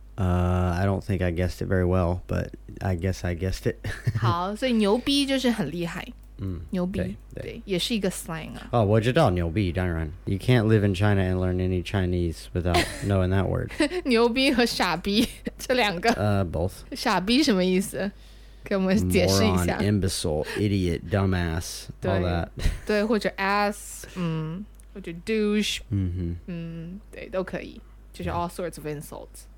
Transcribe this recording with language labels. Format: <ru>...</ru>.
<en>I don't think I guessed it very well, but I guess I guessed it.</en> <zh>好，所以牛逼就是很厉害。嗯，牛逼，对，也是一个 slang 啊。哦，我知道牛逼，当然。</zh> <en>You can't live in China and learn any Chinese without knowing that word.</en> <zh>牛逼和傻逼，这两个。</zh> <en>Both.</en> <zh>傻逼什么意思？给我们解释一下。</zh> <en>Moron, imbecile, idiot, dumbass, all that.</en> <zh>对，或者 ass, 或者 douche, 对，都可以，就是 all sorts of insults.</zh>